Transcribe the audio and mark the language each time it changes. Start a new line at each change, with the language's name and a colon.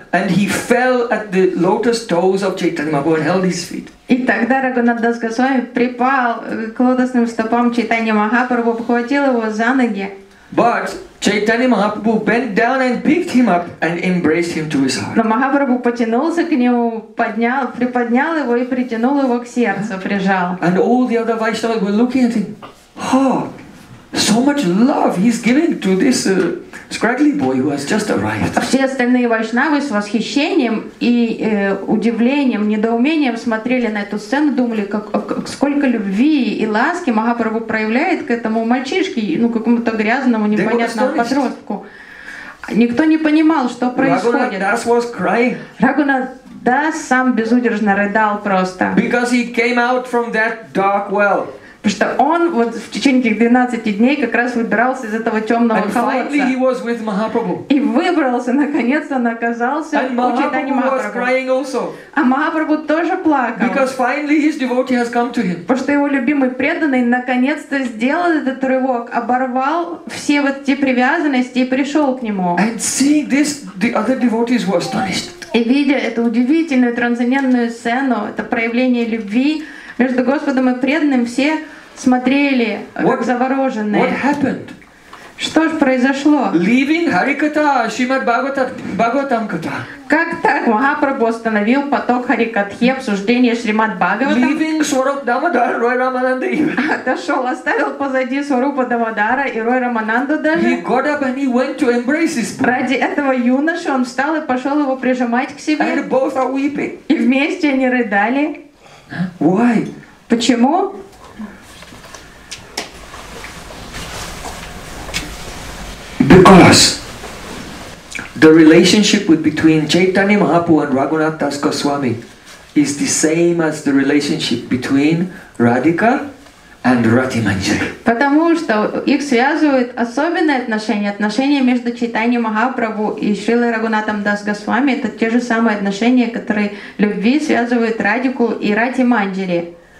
English: And he fell at the lotus toes of Chaitanya Mahaprabhu and held his feet.
Russian: И тогда Рагунатха Дас Госвами припал к лотосным стопам Чайтанья Махапрабху, обхватил его за ноги.
English: But Chaitanya Mahaprabhu bent down and picked him up and embraced him to his heart.
Russian: Но Махапрабху потянулся к нему, приподнял его и притянул его к сердцу, прижал.
English: And all the other Vaishnavas were looking at him. Oh, so much love he's giving to this scraggly boy who has just arrived.
Russian: Все остальные вайшнавы с восхищением и удивлением, недоумением смотрели на эту сцену, думали, как сколько любви и ласки Махапрабху проявляет к этому мальчишке, ну какому-то грязному, непонятному подростку. Никто не понимал, что происходит. Рагунатха Дас сам безудержно рыдал просто.
English: Because he came out from that dark well.
Russian: Потому что он вот в течение этих 12 дней как раз выбирался из этого темного колодца. И выбрался, наконец-то, оказался в Чайтанье Махапрабху. А Махапрабху тоже плакал. Потому что его любимый преданный наконец-то сделал этот рывок, оборвал все вот те привязанности и пришел к нему.
English: And see this, the other devotees were astonished.
Russian: И видя эту удивительную трансцендентную сцену, это проявление любви между Господом и преданным, все смотрели как завороженные.
English: What happened?
Russian: Что ж произошло?
English: Leaving Харикатха, Шримад Бхагаватам Катха.
Russian: Как так Махапрабху остановил поток Харикатхи, обсуждение Шримад Бхагаватам?
English: Leaving Сваруп Дамодара, Рой Рамананда.
Russian: Отошел, оставил позади Сварупа Дамодара и Рой Рамананду даже.
English: He got up and he went to embrace his brother.
Russian: Ради этого юноши он встал и пошел его прижимать к себе.
English: And both are weeping.
Russian: И вместе они рыдали.
English: Why?
Russian: Почему?
English: Because the relationship between Chaitanya Mahaprabhu and Raghunath Das Goswami is the same as the relationship between Radhika and Rati Manjari.
Russian: Потому что их связывают особенные отношения. Отношения между Чайтаньей Махапрабху и Шрилой Рагхунатом Дас Госвами — это те же самые отношения, которые любви связывают Радику и Рати Манджари.